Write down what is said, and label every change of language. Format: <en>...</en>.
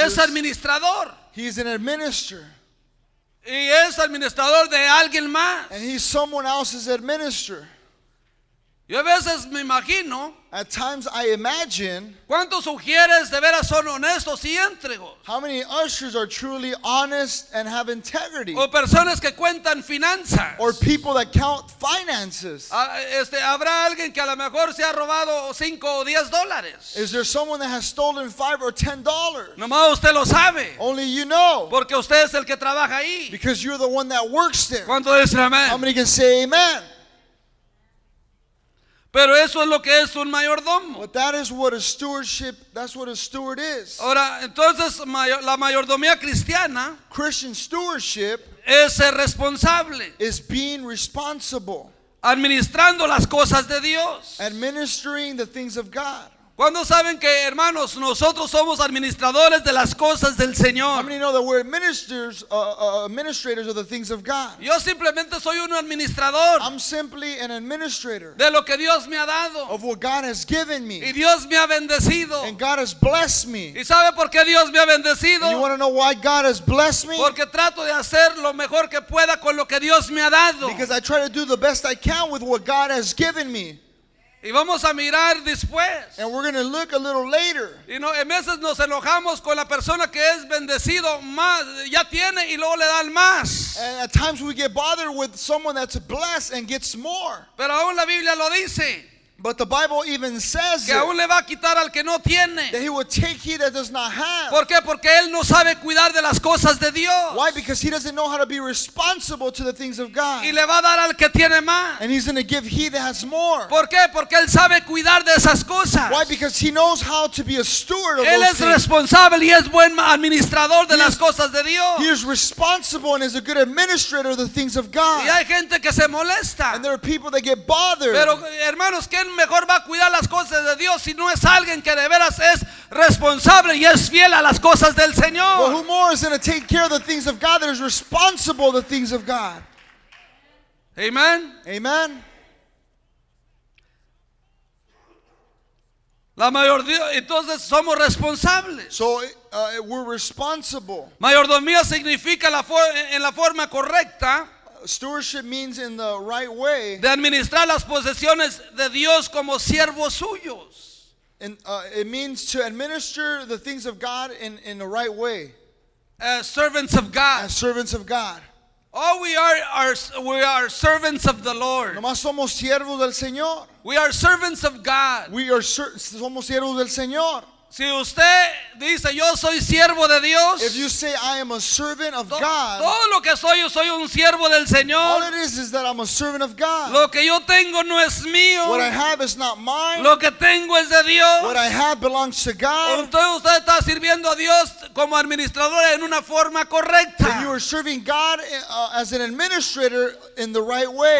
<es>es administrador.</es> <en>He's an administrator.</en> <es>Y es administrador de alguien más.</es> <en>And he's someone else's administrator.</en> <es>Yo a veces me imagino.</es> <en>At times I imagine.</en> <es>¿Cuántos ujieres de veras son honestos y íntegros?</es> <en>How many ushers are truly honest and have integrity?</en> <es>O personas que cuentan finanzas.</es> <en>Or people that count finances.</en> <es>Habrá alguien que a lo mejor se ha robado $5</es> <en>or</en> <es>$10.</es> <en>Is there someone that has stolen $5 or $10?</en> <es>Nomás usted lo sabe.</es> <en>Only you know.</en> <es>Porque usted es el que trabaja ahí.</es> <en>Because you're the one that works there.</en> <es>¿Cuántos dicen amén?</es> <en>How many can say amen?</en> <es>Pero eso es lo que es un mayordomo.</es> <en>But that is what a stewardship, that's what a steward is.</en> <es>Ahora, entonces, la mayordomía cristiana,</es> <en>Christian stewardship,</en> <es>es ser responsable.</es> <en>Is being responsible.</en> <es>Administrando las cosas de Dios.</es> <en>Administering the things of God.</en> <es>¿Cuándo saben que, hermanos, nosotros somos administradores de las cosas del Señor?</es> <en>How many know that we're ministers, administrators of the things of God?</en> <es>Yo simplemente soy un administrador.</es> <en>I'm simply an administrator.</en> <es>De lo que Dios me ha dado.</es> <en>Of what God has given me.</en> <es>Y Dios me ha bendecido.</es> <en>And God has blessed me.</en> <es>¿Y sabe por qué Dios me ha bendecido?</es> <en>And you want to know why God has blessed me?</en> <es>Porque trato de hacer lo mejor que pueda con lo que Dios me ha dado.</es> <en>Because I try to do the best I can with what God has given me.</en> <es>Y vamos a mirar después.</es> <en>And we're going to look a little later.</en> <es>Y no, en veces nos enojamos con la persona que es bendecido más, ya tiene y luego le dan más.</es> <en>And at times we get bothered with someone that's blessed and gets more.</en> <es>Pero aún la Biblia lo dice.</es> <en>But the Bible even says</en> <es>que aún le va a quitar al que no tiene.</es> <en>That he will take he that does not have.</en> <es>¿Por qué? Porque él no sabe cuidar de las cosas de Dios.</es> <en>Why? Because he doesn't know how to be responsible to the things of God.</en> <es>Y le va a dar al que tiene más.</es> <en>And he's going to give he that has more.</en> <es>¿Por qué? Porque él sabe cuidar de esas cosas.</es> <en>Why? Because he knows how to be a steward of</en> <es>él</es> <en>those</en> <es>es responsable</es> <en>things.</en> <es>Y es buen administrador de las cosas de Dios.</es> <en>He is responsible and is a good administrator of the things of God.</en> <es>Y hay gente que se molesta.</es> <en>And there are people that get bothered.</en> <es>Pero hermanos, ¿qué mejor va a cuidar las cosas de Dios si no es alguien que de veras es responsable y es fiel a las cosas del Señor?</es> <en>Well, who more is going to take care of the things of God that is responsible to the things of God? Amen. Amen.</en> <es>La mayor Dios, entonces somos responsables.</es> <en>So we're responsible.</en> <es>Mayordomía significa en la forma correcta.</es> <en>Stewardship means in the right way.</en> <es>De administrar las posesiones de Dios como siervos suyos.</es> <en>And it means to administer the things of God in the right way. As servants of God. As servants of God. All we are servants of the Lord.</en> <es>Nomás somos siervos del Señor.</es> <en>We are servants of God.</en> <es>Somos siervos del Señor. Si usted dice yo soy siervo de Dios,</es> <en>if you say I am a servant of God,</en> <es>todo lo que soy yo soy un siervo del Señor.</es> <en>All it is that I'm a servant of God.</en> <es>Lo que yo tengo no es mío.</es> <en>What I have is not mine.</en> <es>Lo que tengo es de Dios.</es> <en>What I have belongs to God.</en> <es>Entonces usted está sirviendo a Dios como administrador en una forma correcta.</es> <en>And you are serving God as an administrator in the right way.</en>